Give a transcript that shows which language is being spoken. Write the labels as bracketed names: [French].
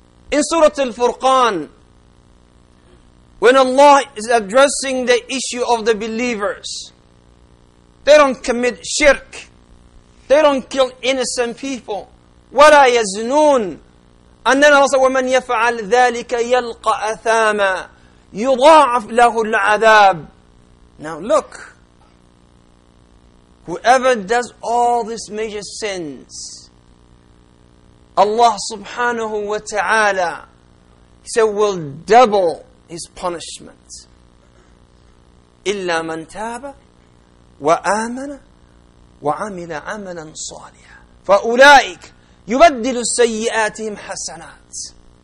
[English] In Surah Al-Furqan, when Allah is addressing the issue of the believers, they don't commit shirk, they don't kill innocent people, [Arabic] وَلَا يَزْنُونَ. [English] And then Allah said, [Arabic] وَمَنْ يَفْعَلْ ذَلِكَ يَلْقَ أَثَامًا يُضَاعَفْ لَهُ الْعَذَابِ. [English] Now look, whoever does all these major sins, Allah subhanahu wa ta'ala, he said, will double his punishment. [Arabic] إِلَّا مَنْ تَابَ وَآمَنَ وَعَمِلَ عَمَلًا صَالِحًا فَأُولَٰئِكَ يُبَدِّلُ سَيِّئَاتِهِمْ حَسَنَاتٍ.